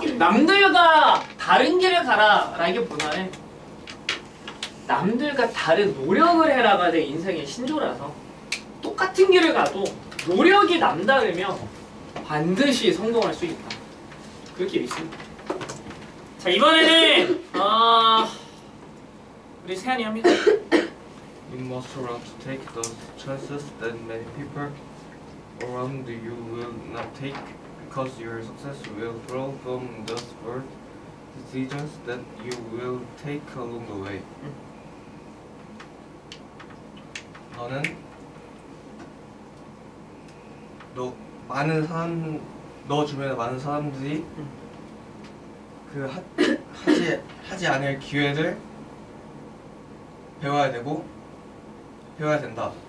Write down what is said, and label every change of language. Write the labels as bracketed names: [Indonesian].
[Korean] 남들과 다른 길을 가라라기보다는 남들과 다른 노력을 해라가 내 인생의 신조라서 똑같은 길을 가도 노력이 남다르면 반드시 성공할 수 있다. 그렇게 믿습니다. 자, 이번에는 우리 세안이 합니다. [English] You must learn to take those chances that many people around you will not take. Because your success will flow from the smart decisions that you will take along the way. [Korean] 너는 너 많은 사람 너 주변에 많은 사람들이 그 하지 않을 기회들 배워야 된다.